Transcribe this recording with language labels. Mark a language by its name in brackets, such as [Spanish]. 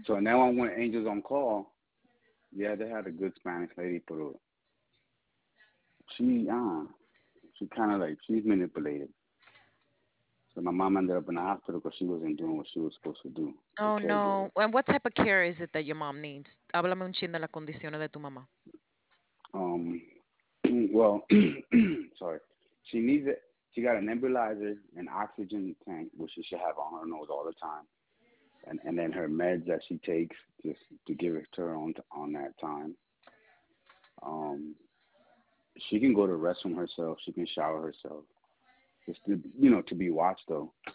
[English] So now I'm with Angels on Call. Yeah, they had a good Spanish lady, but she kind of like, she's manipulated. So my mom ended up in the hospital because she wasn't doing what she was supposed to do. Oh, no. And what type of care is it that your mom needs? [Spanish] Háblame un chin de la condición de tu mamá. [English] Well, sorry. She needs it. She got a nebulizer, an oxygen tank, which she should have on her nose all the time. And then her meds that she takes just to give it to her on that time. She can go to restroom herself. She can shower herself. Just to, you know, to be watched, though.